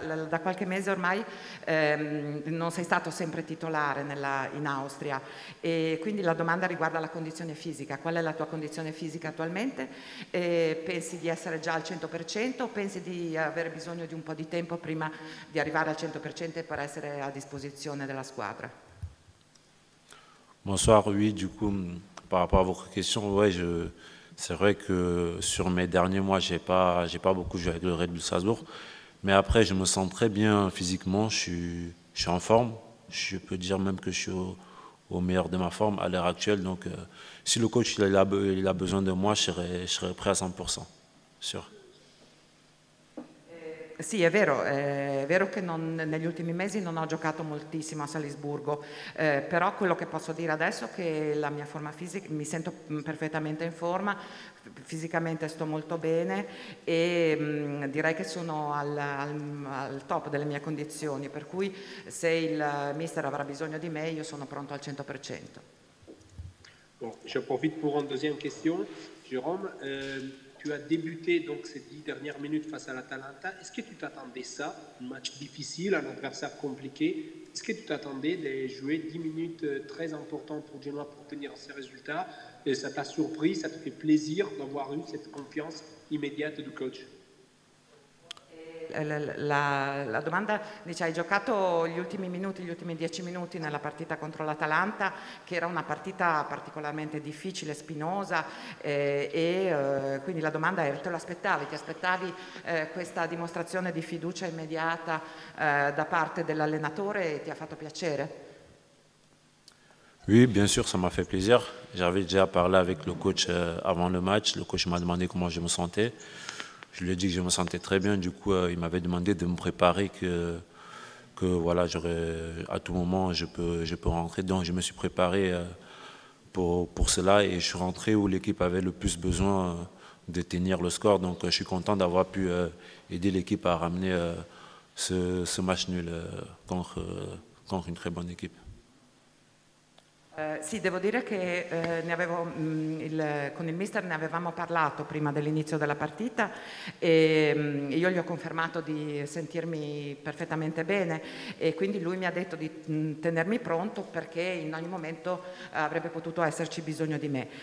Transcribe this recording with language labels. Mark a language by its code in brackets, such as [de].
[it] Da qualche mese ormai non sei stato sempre titolare in Austria e quindi la domanda riguarda la condizione fisica. Qual è la tua condizione fisica attualmente? E pensi di essere già al 100% o pensi di avere bisogno di un po' di tempo prima di arrivare al 100% per essere a disposizione della squadra? [fr] Bonsoir, oui, du coup, par rapport à votre question, ouais, c'est vrai que sur mes derniers mois, j'ai pas beaucoup joué avec le Red Bull Salzbourg. Mais après, je me sens très bien physiquement, je suis en forme. Je peux dire même que je suis au meilleur de ma forme à l'heure actuelle. Donc, si le coach il a besoin de moi, je serai prêt à 100%, sûr. [it] Sì, è vero che non, negli ultimi mesi non ho giocato moltissimo a Salisburgo, però quello che posso dire adesso è che la mia forma fisica, mi sento perfettamente in forma, fisicamente sto molto bene e direi che sono al top delle mie condizioni, per cui se il mister avrà bisogno di me io sono pronto al 100%. [fr] Bon, je profite pour une deuxième question, Jérôme. Tu as débuté donc ces 10 dernières minutes face à l'Atalanta. Est-ce que tu t'attendais ça, un match difficile, un adversaire compliqué? Est-ce que tu t'attendais de jouer 10 minutes très importantes pour Genoa pour obtenir ces résultats? Et ça t'a surpris, ça te fait plaisir d'avoir eu cette confiance immédiate du coach? [it] La domanda dice: hai giocato gli ultimi minuti, gli ultimi 10 minuti nella partita contro l'Atalanta, che era una partita particolarmente difficile, spinosa, quindi la domanda è: te lo aspettavi? Ti aspettavi questa dimostrazione di fiducia immediata da parte dell'allenatore e ti ha fatto piacere? [fr] Oui, bien sûr, ça m'a fait plaisir. J'avais déjà parlé avec le coach avant le match. Le coach m'a demandé comment je me sentais. Je lui ai dit que je me sentais très bien, du coup il m'avait demandé de me préparer, que voilà, j'aurais à tout moment je peux rentrer. Donc je me suis préparé pour cela et je suis rentré où l'équipe avait le plus besoin de tenir le score. Donc je suis content d'avoir pu aider l'équipe à ramener ce match nul contre une très bonne équipe. [it] Sì, devo dire che con il mister ne avevamo parlato prima dell'inizio della partita e io gli ho confermato di sentirmi perfettamente bene e quindi lui mi ha detto di tenermi pronto perché in ogni momento avrebbe potuto esserci bisogno di me.